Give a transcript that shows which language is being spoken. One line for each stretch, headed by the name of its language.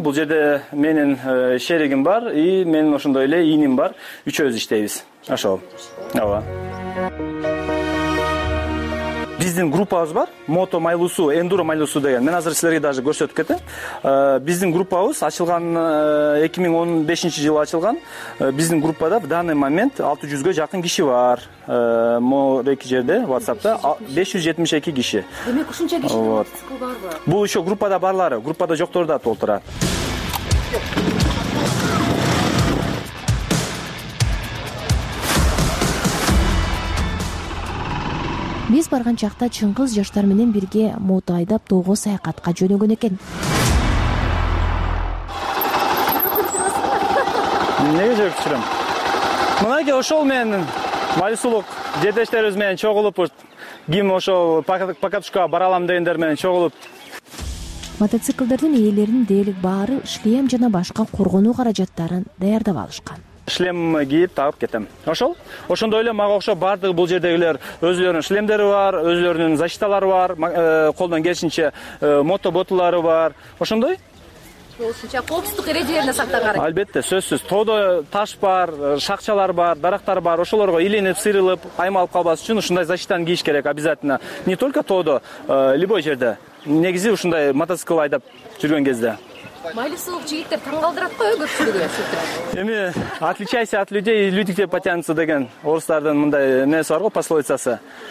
Kyrgyz: Бул жерде менин шеригим бар и менин ошондой эле иним бар. Үчөбүз иштейбиз. Ошол. Ооба. Биздин группабыз бар. Мото Майлусу, Эндуро Майлусу деген. Мен азыр силерге даже көрсөтүп кетем. Биздин группабыз ачылган 2015 жылы ачылган. Биздин группада
Russian: в данный момент
Kyrgyz: 600 жакын киши бар. Мореки жерде, WhatsApp'та 572 киши. Демек ушунча киши мотоцикл барбы? Бул еще группада барлары, группада жоктору да толтурат. Биз барган чакта Чыңгыз жаштар менен бирге мото айдап тоого саякатка жөнөгөн экен. Эмнеге жүрүп жүрөм? Мынакей ошол менен Майлусулук жетештерибиз менен чогулуп, ким ошол покатушкага бара алам дегендер менен чогулуп. Мотоциклдердин ээлеринин дээрлик баары шлем жана башка коргонуу каражаттарын даярдап алышкан. Шлем кийип таап кетем. Ошол? Ошондой эле мага окшоп баардыгы бул жердегилер өзлөрүнүн шлемдери бар, өзлөрүнүн защиталары бар, колдон келишинче мото ботулары бар. Ошондой? Болушунча коопсуздук эрежелерине сактан карайт. Албетте, сөзсүз. Тоодо таш бар, шакчалар бар, дарактар бар. Ошолорго илинип, сыйрылып, аймалып калбас үчүн ушундай защитаны кийиш керек обязательно.
Russian: Не только
Kyrgyz: тоодо,
Russian: любой
Kyrgyz: жерде. Негизи ушундай мотоцикл айдап жүргөн кезде. Майлысылык жигиттер таң калдырат го көпчүлүгү. Эми
Russian: отличайся от людей, люди к тебе потянутся
Kyrgyz: деген орустардын мындай эмнеси бар го пословицасы.